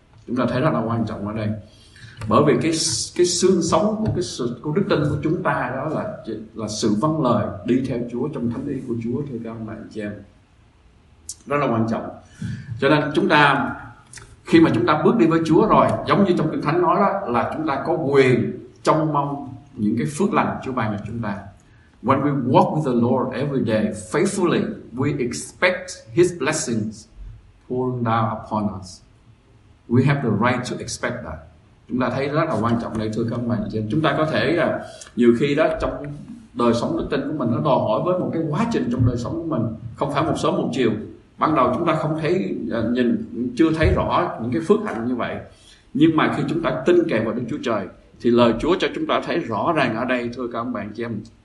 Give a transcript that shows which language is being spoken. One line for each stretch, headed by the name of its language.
Vietnamese: Chúng ta thấy rất là quan trọng ở đây. Bởi vì cái xương sống của cái sự, của đức tin của chúng ta đó là sự vâng lời đi theo Chúa trong thánh ý của Chúa, thưa các bạn chị em. Rất là quan trọng. Cho nên chúng ta khi mà chúng ta bước đi với Chúa rồi, giống như trong Kinh Thánh nói đó, là chúng ta có quyền trông mong những cái phước lành Chúa ban cho chúng ta.
English: When we walk with the Lord every day faithfully, we expect His blessings pouring down upon us. We have the right to expect that.
Vietnamese: Chúng ta thấy rất là quan trọng đây, thưa các bạn. Chúng ta có thể nhiều khi đó trong đời sống đức tin của mình, nó đòi hỏi với một cái quá trình trong đời sống của mình, không phải một sớm một chiều. Ban đầu chúng ta không thấy, nhìn chưa thấy rõ những cái phước hạnh như vậy. Nhưng mà khi chúng ta tin cậy vào Đức Chúa Trời, thì lời Chúa cho chúng ta thấy rõ ràng ở đây, thưa các ông bạn chị em.